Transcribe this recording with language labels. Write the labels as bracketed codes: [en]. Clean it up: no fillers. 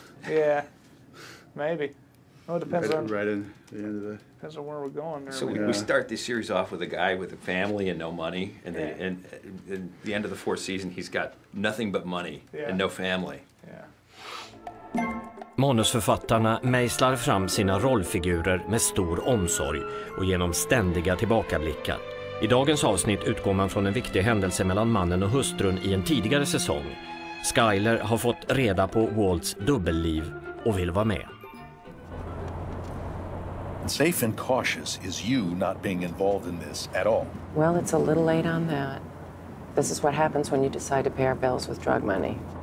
[en] Yeah, maybe. Well, it depends right, on right in the end of the depends on where we're going. There. So we start this series off with a guy with a family and no money, and then the end of the fourth season, he's got nothing but money and no family. Yeah. [sv] Manusförfattarna mejslar fram sina rollfigurer med stor omsorg och genom ständiga tillbakablickar. I dagens avsnitt utgår man från en viktig händelse mellan mannen och hustrun i en tidigare säsong. Skyler har fått reda på Walts dubbelliv och vill vara med. [en] Safe and cautious is you not being involved in this at all. Well, it's a little late on that. This is what happens when you decide to pay our bills with drug money.